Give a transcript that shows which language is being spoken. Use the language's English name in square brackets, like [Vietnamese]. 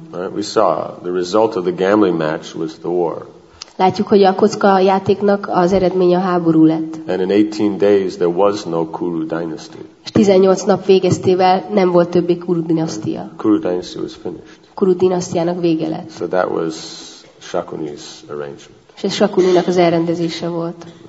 [English] Right, we saw the result of the gambling match was the war. [Hungarian] Látjuk, hogy a kocka játéknak az eredménye a háború lett. [English] And in 18 days there was no Kuru dynasty. [Hungarian] És 18 nap végeztével nem volt többé Kuru dinasztia. [English] Kuru dynasty was finished. [Hungarian] Kuru dinasztiának vége lett. [English] So that was Shakuni's arrangement. [Hungarian] És ez Shakuninak az elrendezése volt.